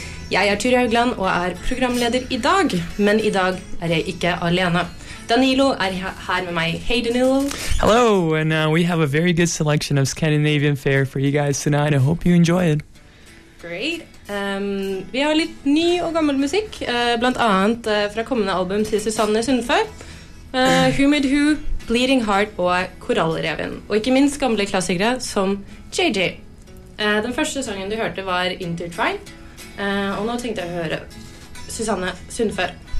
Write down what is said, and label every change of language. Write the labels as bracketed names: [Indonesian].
[Norwegian] Jeg Turi Haugland og programleder I dag, men I dag jeg ikke alene. Danilo her med meg. Hey Danilo. [English] Hello, and we have a very good selection of Scandinavian fare for you guys tonight. I hope you enjoy it. Great. [Norwegian] Vi har litt ny og gammel musikk, blant annet fra kommende album til Susanne Sundfoer. Whomadewho. Bleeding Heart og Korallreven, og ikke minst gamle klassikere som JJ. Den første sangen du hørte var Intertwine, og nå tenkte jeg å høre Susanne Sundfoer.